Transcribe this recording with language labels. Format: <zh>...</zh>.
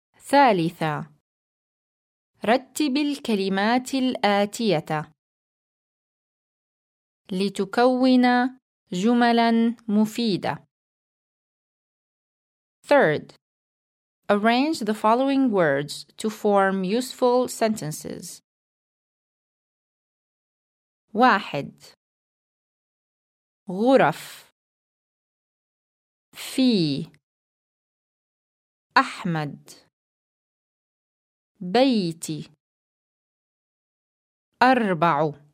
<ar>ثالثا، رتب الكلمات الآتية لتكون جملا مفيدة.</ar> <en>Third, arrange the following words to form useful sentences.</en> <ar>واحد، غرف، في، أحمد، بيتي، أربع،</ar>